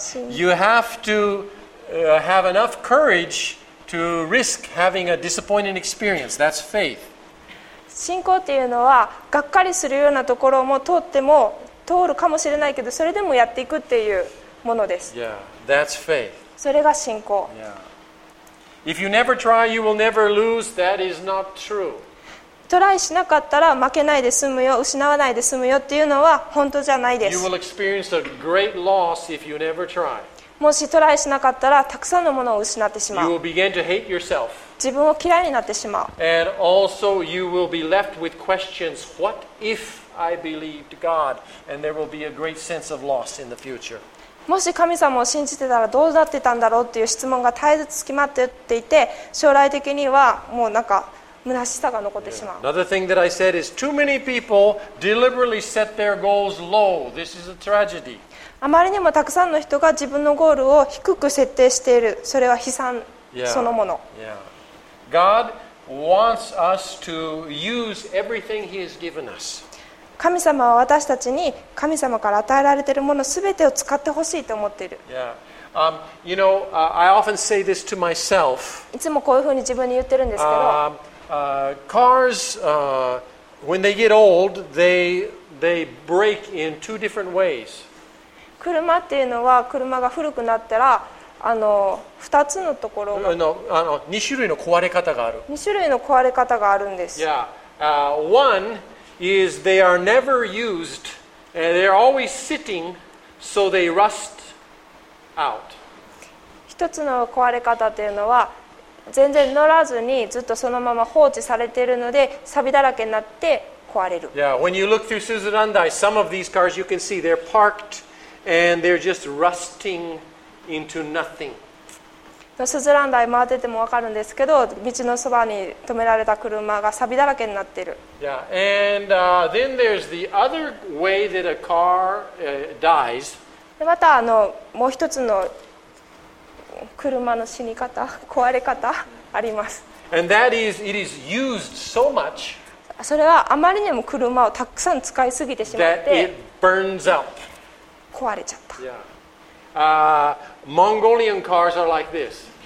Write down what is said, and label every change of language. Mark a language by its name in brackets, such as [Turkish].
[English] you have to have enough courage to risk having a disappointing experience. That's faith. [Japanese] 信仰というのはがっかりするようなところも通っても通るかもしれないけどそれでもやっていくっていうものです。 [English] Yeah, that's faith. [Japanese] それが信仰。 [English] If you never try, you will never lose. That is not true. [Japanese] トライしなかったら負けないで済むよ、失わないで済むよっていうのは本当じゃないです。 [English] You will experience a great loss if you never try. [Japanese] もしトライしなかったらたくさんのものを失ってしまう。 [English] You will begin to hate yourself. [Japanese] 自分を嫌いになってしまう。 [English] And also you will be left with questions. What if I believed God? And there will be a great sense of loss in the future. [Japanese] もし神様を信じてたらどうなってたんだろうっていう質問が絶えずつきまっていて将来的にはもうなんか虚しさが残ってしまう。 [English] Another thing that I said is too many people deliberately set their goals low. This is a tragedy. [Japanese] あまりにもたくさんの人が自分のゴールを低く設定している。それは悲惨そのもの。 [English] God wants us to use everything He has given us. [Japanese] 神様は私たちに神様から与えられているものすべてを使ってほしいと思っている。 [English] Yeah. You know, I often say this to myself. [Japanese] いつもこういうふうに自分に言ってるんですけど。 [English] Cars, when they get old, they break in two different ways. [Japanese] 車っていうのは車が古くなったら、2つのところが。 2種類の壊れ方がある。 2種類の壊れ方があるんです。 [English] Yeah. One,is they are never used and they're always sitting so they rust out. [Japanese] 一つの壊れ方というのは全然乗らずにずっとそのまま放置されているので錆だらけになって壊れる。 [English] Yeah, when you look through Suzurandai, some of these cars you can see they're parked and they're just rusting into nothing. [Japanese] スズランダイ回ってても分かるんですけど道のそばに止められた車が錆だらけになっている。 [English] Yeah. And, then there's the other way that a car, dies. [Japanese] でまたもう一つの車の死に方壊れ方あります。 [English] And that is, it is used so much. [Japanese] それはあまりにも車をたくさん使いすぎてしまって [English] that it burns out. [Japanese] 壊れちゃった。 [English] Yeah. Mongolian cars are like this.